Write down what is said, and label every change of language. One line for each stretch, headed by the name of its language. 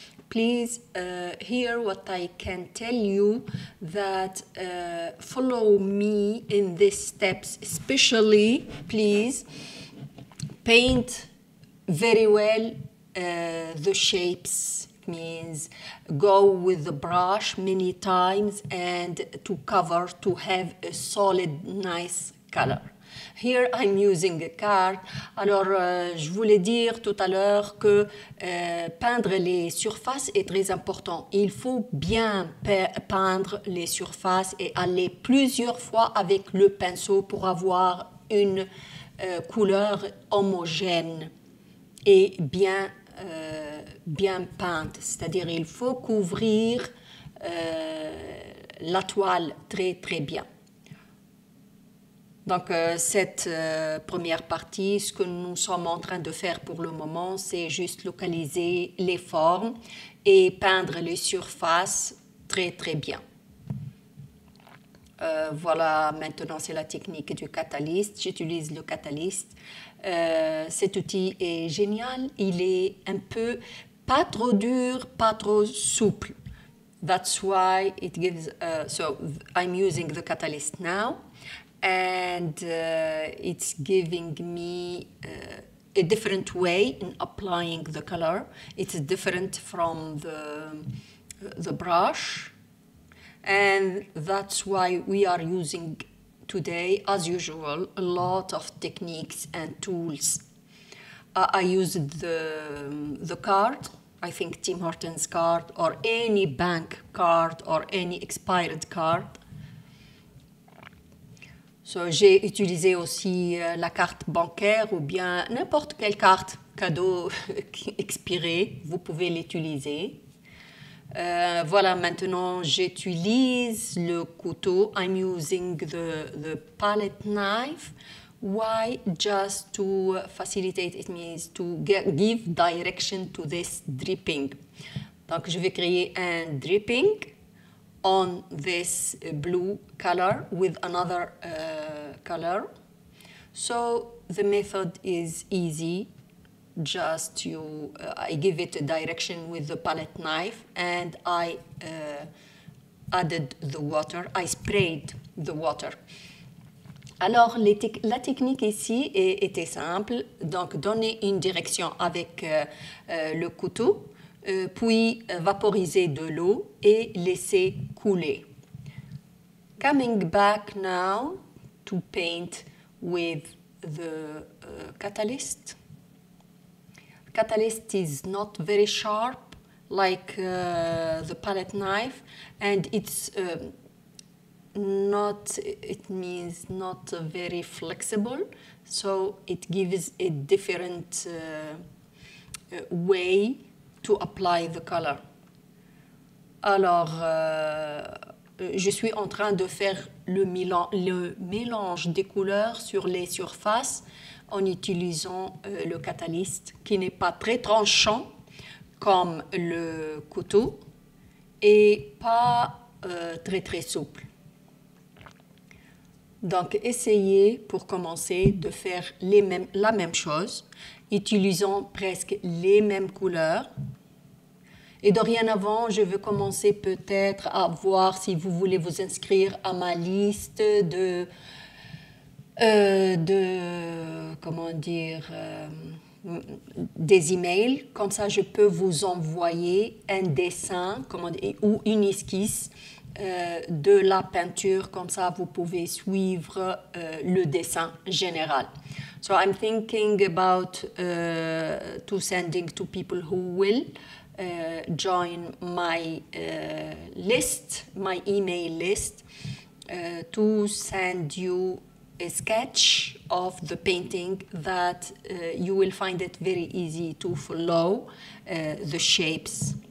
English: Please hear what I can tell you that follow me in these steps, especially please paint very well the shapes. It means go with the brush many times and to cover to have a solid, nice color. Here, I'm using a card.
French: Alors, je voulais dire tout à l'heure que peindre les surfaces est très important. Il faut bien peindre les surfaces et aller plusieurs fois avec le pinceau pour avoir une couleur homogène et bien peinte. C'est-à-dire, il faut couvrir la toile très, très bien. Donc, cette première partie, ce que nous sommes en train de faire pour le moment, c'est juste localiser les formes et peindre les surfaces très, très bien. Voilà, maintenant, c'est la technique du catalyst. J'utilise le catalyst. Cet outil est génial. Il est un peu pas trop dur, pas trop souple.
English: That's why it gives, so I'm using the catalyst now, and it's giving me a different way in applying the color. It's different from the brush, and that's why we are using today, as usual, a lot of techniques and tools. I used the card, I think Tim Hortons card, or any bank card, or any expired card.
French: So j'ai utilisé aussi la carte bancaire, ou bien n'importe quelle carte cadeau expirée, vous pouvez l'utiliser. Voilà, maintenant j'utilise le couteau.
English: I'm using the palette knife. Why? Just to facilitate, it means to give direction to this dripping.
French: Donc je vais créer un dripping
English: on this blue color with another color. So the method is easy. Just you, I give it a direction with the palette knife, and I added the water, I sprayed the water.
French: Alors, la technique ici était simple. Donc, donner une direction avec le couteau, puis vaporiser de l'eau et laisser couler.
English: Coming back now to paint with the catalyst. Catalyst is not very sharp like the palette knife, and it's not, it means not very flexible, so it gives a different way to apply the color.
French: Alors, je suis en train de faire le mélange des couleurs sur les surfaces en utilisant le catalyst, qui n'est pas très tranchant comme le couteau et pas très très souple. Donc, essayez pour commencer de faire la même chose, utilisant presque les mêmes couleurs. Et dorénavant, je veux commencer peut-être à voir si vous voulez vous inscrire à ma liste des emails. Comme ça, je peux vous envoyer un dessin ou une esquisse de la peinture. Comme ça, vous pouvez suivre le dessin général.
English: So I'm thinking about to sending to people who will join my list, my email list, to send you a sketch of the painting that you will find it very easy to follow the shapes.